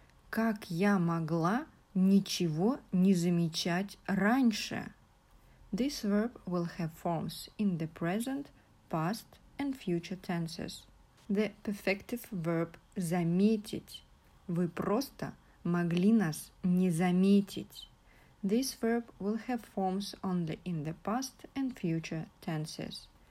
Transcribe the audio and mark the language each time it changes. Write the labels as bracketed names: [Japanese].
[Russian] Как я могла ничего не замечать раньше? [English] This verb will have forms in the present, past, and future tenses. The perfective verb заметить. [Russian] Вы просто могли нас не заметить. [English] This verb will have forms only in the past and future tenses.